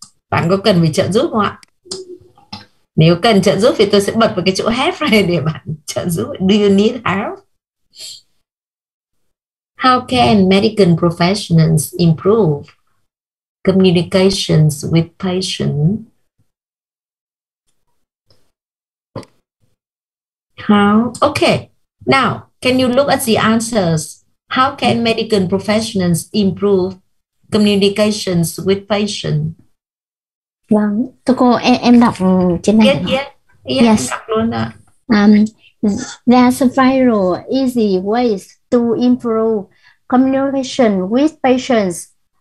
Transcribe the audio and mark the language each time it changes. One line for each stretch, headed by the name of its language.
Vietnamese: Bạn có cần phải trợ giúp không ạ? Nếu cần trợ giúp thì tôi sẽ bật vào cái chỗ help này để bạn trợ giúp.
English: Do you need help? How can medical professionals improve communications with patients? How? Okay. Now, can you look at the answers? How can medical professionals improve communications with patients?
Vietnamese: Vâng, tôi cô em đọc trên này.
English: Yes. There's several easy ways to improve communication with patients.